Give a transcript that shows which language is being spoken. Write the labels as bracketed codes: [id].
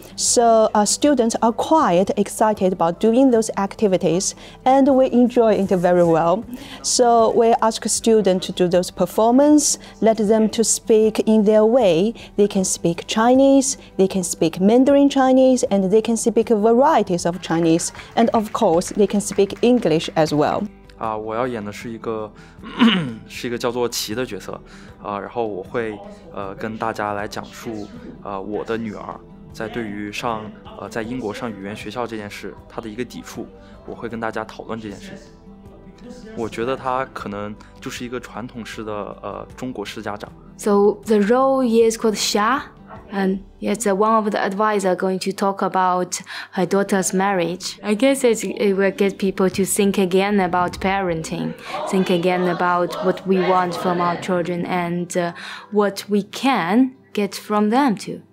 [en] So students are quite excited about doing those activities and we enjoy it very well. So we ask students to do those performances, let them to speak in their way. They can speak Chinese, they can speak Mandarin Chinese, and they can speak varieties of Chinese. And of course, they can speak English as well. [zh] 我要演的是一个是一个叫做奇的角色，然后我会跟大家来讲述我的女儿。在对于上在英国上语言学校这件事他的一个抵触，我会跟大家讨论这件事。我觉得他可能就是一个传统式的中国式家长。 [en] So the role is called Xia, and it's one of the advisor going to talk about her daughter's marriage. I guess it will get people to think again about parenting, think again about what we want from our children and what we can get from them too.